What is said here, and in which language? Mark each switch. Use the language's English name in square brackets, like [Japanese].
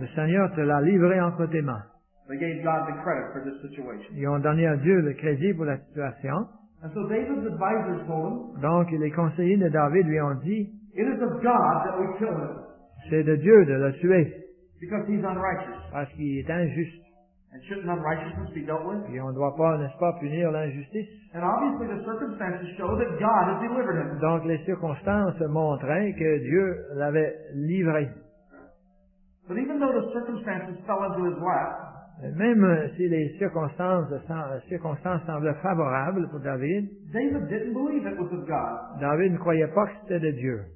[French] Le Seigneur te l'a livré entre tes mains. [English] They gave God the credit for this situation. [French] Ils ont donné à Dieu le crédit pour la situation. [English] And so David's advisors told him, [French] donc, les conseillers de David lui ont dit, [English] it is of God that we kill him. [French] C'est de Dieu de le tuer. [English] Because he's unrighteous. [French] Parce qu'il est injuste. [English] And shouldn't unrighteousness be dealt with? [French] Et on ne doit pas, n'est-ce pas, punir l'injustice? [English] And obviously the circumstances show that God has delivered him. [French] Donc, les circonstances montraient que Dieu l'avait livré. [English] But even though the circumstances fell into his lap, [French] même si les circonstances semblaient favorables pour David, [English] David, didn't believe it was of God. [French] David ne croyait pas que c'était de Dieu.